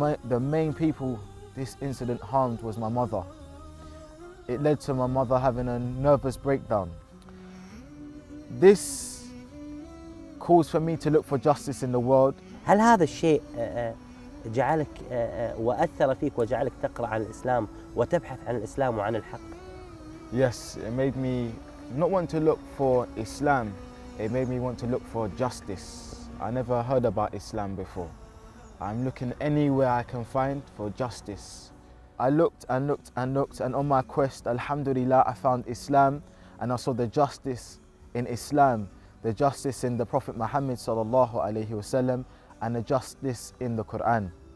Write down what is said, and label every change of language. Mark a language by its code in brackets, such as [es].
[en] The main people this incident harmed was my mother. It led to my mother having a nervous breakdown. This caused for me to look for justice in the world. [ar] هل هذا الشيء جعلك وأثر فيك وجعلك تقرأ عن الإسلام وتبحث عن الإسلام وعن الحق؟ [en] Yes, it made me not want to look for Islam. It made me want to look for justice. I never heard about Islam before. I'm looking anywhere I can find for justice. I looked and looked and looked, and on my quest, alhamdulillah, I found Islam, and I saw the justice in Islam, the justice in the Prophet Muhammad sallallahu alaihi wasallam, and the justice in the Quran.